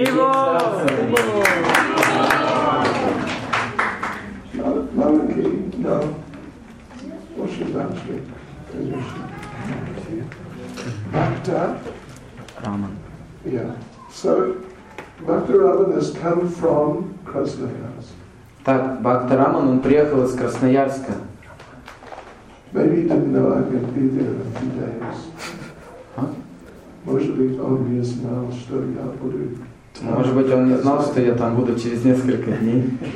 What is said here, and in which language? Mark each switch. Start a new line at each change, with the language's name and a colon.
Russian: инициация.
English: Bhakta Raman. Yeah. So Bhakta Raman has come from Krasnoyarsk.
Russian: Так, Бхакта Раман, он приехал из Красноярска.
English: Maybe he didn't know I could be there in a few days.
Russian: Может быть, он не знал, что я буду. Может быть, он не знал, что я там буду через несколько дней.